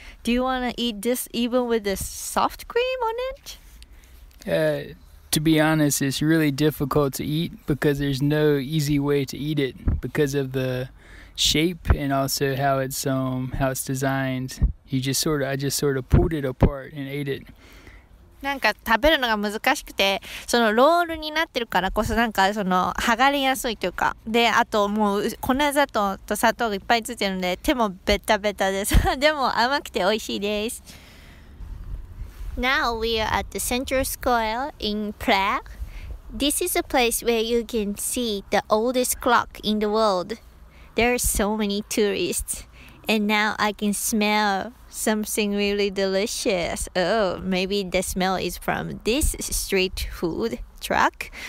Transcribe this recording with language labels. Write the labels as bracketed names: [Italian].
[English] Do you want to eat this even with the soft cream on it? To be honest, it's really difficult to eat because there's no easy way to eat it because of the shape and also how it's designed. I just sort of pulled it apart and ate it. [Japanese] なんか食べるのが難しくて、そのロールになってるからこそなんかその剥がれやすいというか、で、あともう粉砂糖と砂糖がいっぱいついてるので手もベタベタです。でも甘くて美味しいです。 [English] Now we are at the Central Square in Prague. This is a place where you can see the oldest clock in the world. There are so many tourists. And now I can smell... Something really delicious. Oh, maybe the smell is from this street food truck.